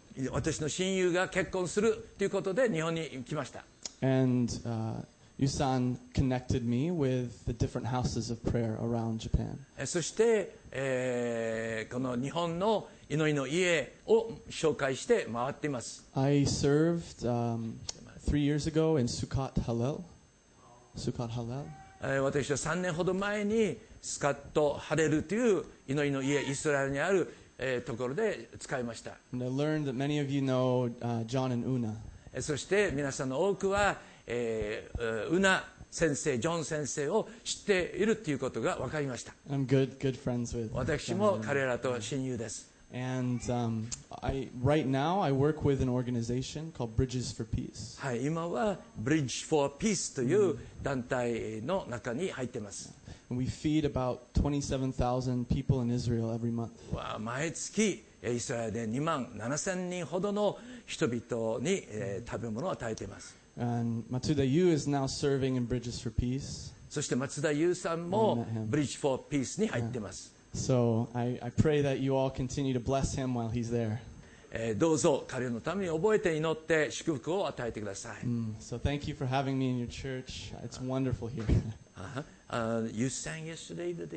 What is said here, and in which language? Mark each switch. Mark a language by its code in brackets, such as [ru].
[ja] 私の親友が結婚するということで日本に来ました。 [en] And Yu-san connected me with the different houses of prayer around Japan. [ja] そして、この日本の祈りの家を紹介して回っています。 [en] I served three years ago in Sukkot Hallel. Sukkot Hallel. [ja] 私は3年ほど前にスカットハレルという祈りの家、イスラエルにあるところで使いました。 [en] And I learned that many of you know John and Una. [ja] そして皆さんの多くはウナ先生、ジョン先生を知っているということが分かりました。 [en] I'm good friends with [ja] 私も彼らと親友です。 [en] And, right now I work with an organization called Bridges for Peace. [ja] はい、今は Bridge for Peace という団体の中に入っています。 [en] And we feed about 27,000 people in Israel every month. [ja] 毎月イスラエルで 2万7000人ほどの人々に、食べ物を与えています。 [en] And Matsuda Yu is now serving in Bridges for Peace. [ja] そして Matsuda Yu さんも Bridge for Peace に入ってます。 [en] So I pray that you all continue to bless him while he's there. [ja] どうぞ彼のために覚えて祈って祝福を与えてください。 Mm. [en] So thank you for having me in your church. It's wonderful here. You sang yesterday the day.